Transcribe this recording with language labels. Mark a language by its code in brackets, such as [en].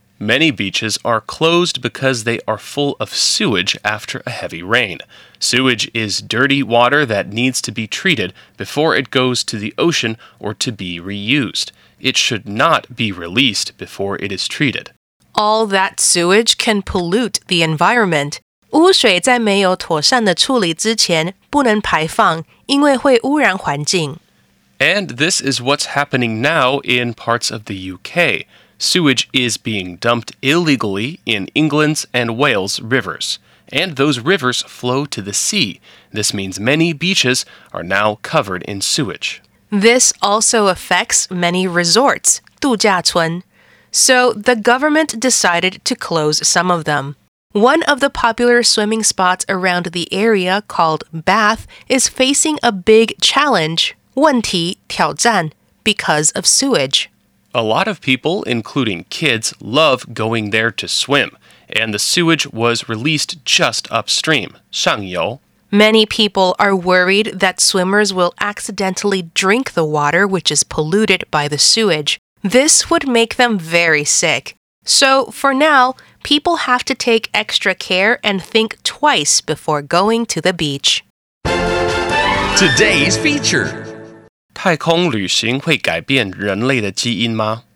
[en] Many beaches are closed because they are full of sewage after a heavy rain. Sewage is dirty water that needs to be treated before it goes to the ocean or to be reused. It should not be released before it is treated. All that sewage can pollute the environment. [zh] 污水在没有妥善的处理之前不能排放，因为会污染环境。 [en] And this is what's happening now in parts of the UK. Sewage is being dumped illegally in England's and Wales rivers. And those rivers flow to the sea. This means many beaches are now covered in sewage. This also affects many resorts, 度假村。 So the government decided to close some of them. One of the popular swimming spots around the area called Bath is facing a big challenge, 问题,挑战, because of sewage. A lot of people, including kids, love going there to swim, and the sewage was released just upstream, 上游. Many people are worried that swimmers will accidentally drink the water which is polluted by the sewage. This would make them very sick. So, for now,People have to take extra care and think twice before going to the beach. Today's feature. [zh] 太空旅行会改变人类的基因吗?